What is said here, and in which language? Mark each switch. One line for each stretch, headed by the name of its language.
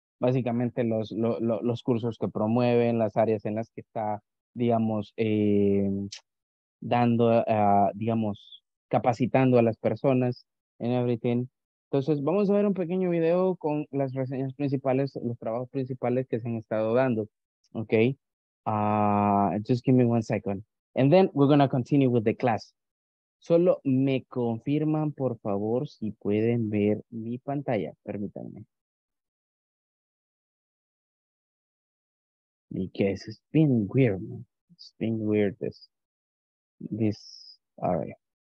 Spanish: Básicamente los cursos que promueven, las áreas en las que está, digamos, dando, digamos, capacitando a las personas en everything. Entonces, vamos a ver un pequeño video con las reseñas principales, los trabajos principales que se han estado dando, okay?
English: Just give me 1 second. And then we're going to continue with the class.
Spanish: Solo me confirman, por favor, si pueden ver mi pantalla. Permítanme.
English: Because it's been weird, man. It's been weird, this. All right.